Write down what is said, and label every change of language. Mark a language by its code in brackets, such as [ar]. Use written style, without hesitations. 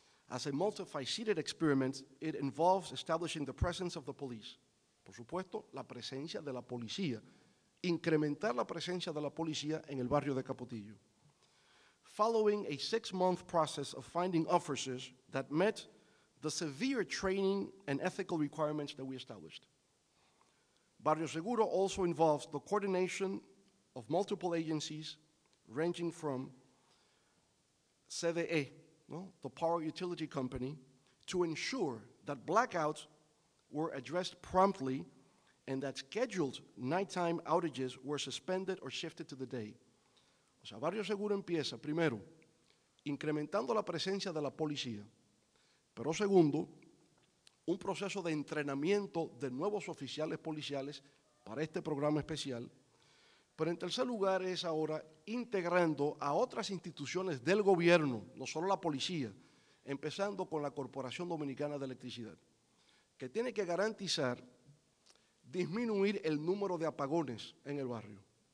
[en] As a multifaceted experiment, it involves establishing the presence of the police. [es] Por supuesto, la presencia de la policía. Incrementar la presencia de la policía en el barrio de Capotillo. [en] Following a six-month process of finding officers that met the severe training and ethical requirements that we established. Barrio Seguro also involves the coordination of multiple agencies ranging from CDE, no, the power utility company, to ensure that blackouts were addressed promptly and that scheduled nighttime outages were suspended or shifted to the day. [es] O sea, Barrio Seguro empieza, primero, incrementando la presencia de la policía, pero segundo, un proceso de entrenamiento de nuevos oficiales policiales para este programa especial. Pero en tercer lugar es ahora integrando a otras instituciones del gobierno, no solo la policía, empezando con la Corporación Dominicana de Electricidad, que tiene que garantizar disminuir el número de apagones en el barrio.